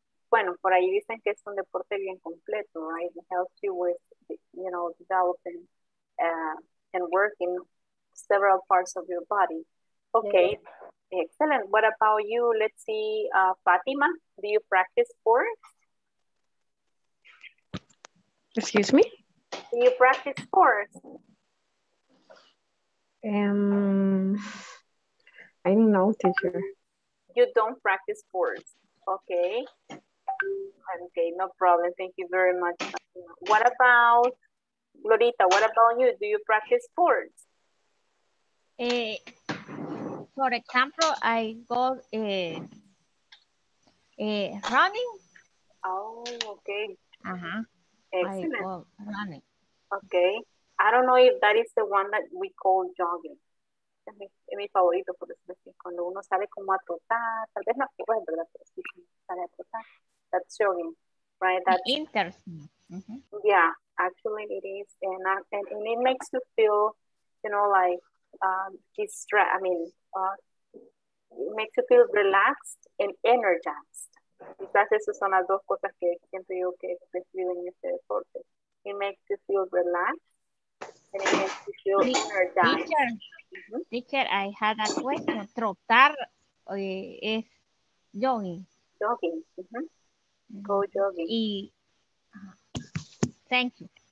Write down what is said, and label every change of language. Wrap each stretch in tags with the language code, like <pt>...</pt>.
<es>Bueno, por ahí dicen que es un deporte bien completo, right?</es> <en>It helps you with, you know, developing and working several parts of your body. Okay, yeah. Excellent. What about you? Let's see, Fatima, do you practice sports? Excuse me? Do you practice sports? I don't know, teacher. You don't practice sports. Okay. Okay, no problem. Thank you very much, Fatima. What about Lorita? What about you? Do you practice sports? For example, I go running. Oh, okay. Excellent. I go running. Okay. I don't know if that is the one that we call jogging.</en> <es>Es mi favorito, por eso es cuando uno sale como a trotar, tal vez no, pues, ¿verdad? Pero sí, sale a trotar.</es> <en>That's jogging, right? That's interesting. Mm-hmm. Yeah, actually it is. And it makes you feel, you know, like, distress, I mean, it makes you feel relaxed and energized.</en> <es>Quizás esas son las dos cosas que siento yo que recibo en este deporte.</es> <en>It makes you feel relaxed and it makes you feel energized. Teacher, mm-hmm. Teacher, I had a question.</en> <es>Trotar es jogging.</es> <en>Jogging. Mm-hmm. Go jogging. Y, thank you.</en>